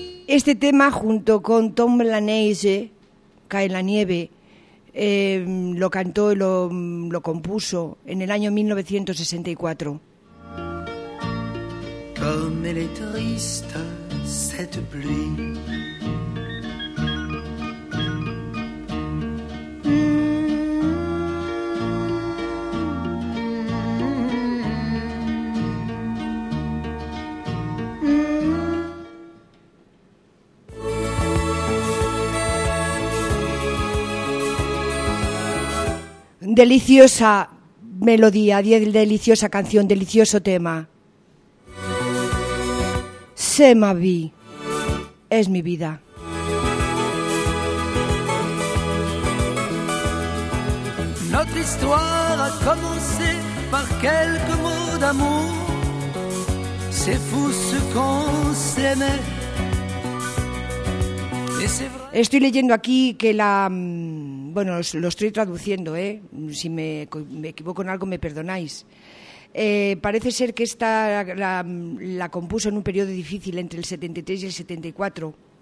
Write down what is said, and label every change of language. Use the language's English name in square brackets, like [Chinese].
[Spanish] Este tema, junto con Tom La Neige, Cae la nieve, lo cantó y lo compuso en el año 1964. [French] Comme elle est triste, cette pluie. [Spanish] Deliciosa melodía, deliciosa canción, delicioso tema. [French] C'est ma vie, es mi vida. Notre histoire a commencé par quelques mots d'amour. C'est fou ce qu'on s'aimait. [Spanish] Estoy leyendo aquí que la... Bueno, lo estoy traduciendo, ¿eh? Si me equivoco en algo, me perdonáis. Parece ser que esta la compuso en un periodo difícil, entre el 73 y el 74.